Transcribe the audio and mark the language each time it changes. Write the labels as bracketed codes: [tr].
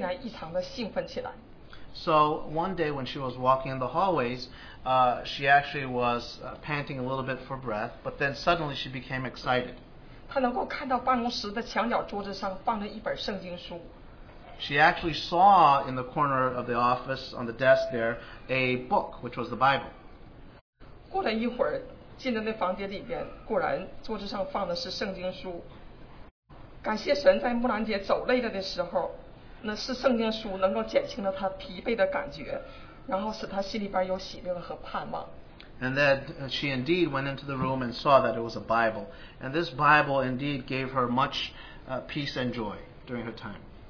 [zh] 有一天在走廊散步的时候，她有点喘，想休息一会儿的时候，然后再继续向前走。在距离办公室有一段距离的时候，她竟然异常的兴奋起来。 [en] So one day when she was walking in the hallways, she actually was panting a little bit for breath, but then suddenly she became excited. [zh] 她能够看到办公室的墙角桌子上放着一本圣经书。 [en] She actually saw in the corner of the office on the desk there a book, which was the Bible. [zh] 过了一会儿，进了那房间里边，果然桌子上放的是圣经书。感谢神，在木兰姐走累了的时候，那是圣经书能够减轻了她疲惫的感觉，然后使她心里边有喜乐和盼望。 [en] And then she indeed went into the room and saw that it was a Bible. And this Bible indeed gave her much peace and joy during her time.